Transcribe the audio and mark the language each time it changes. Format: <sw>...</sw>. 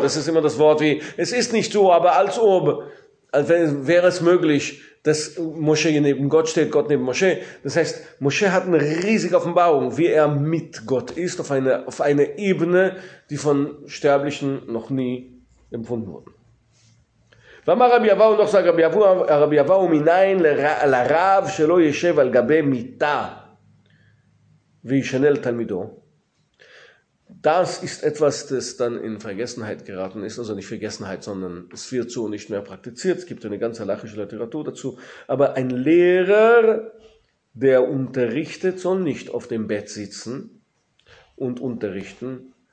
<de>Das ist immer das Wort wie, es ist nicht so, aber als ob, als wäre es möglich, dass Moshe neben Gott steht, Gott neben Moshe. Das heißt, Moshe hat eine riesige Offenbarung, wie er mit Gott ist, auf eine Ebene, die von Sterblichen noch nie empfunden wurde.</de> <he>ואמר רבי אבאו נוח סג רבי אבאו מניין לרב שלא יישב על גבי מיטה וישנה לתלמידו.</he> <de>Das ist etwas, das dann in Vergessenheit geraten ist. Also nicht Vergessenheit, sondern es wird so nicht mehr praktiziert. Es gibt eine ganze halachische Literatur dazu. Aber ein Lehrer, der unterrichtet, soll nicht auf dem Bett sitzen und unterrichten.</de>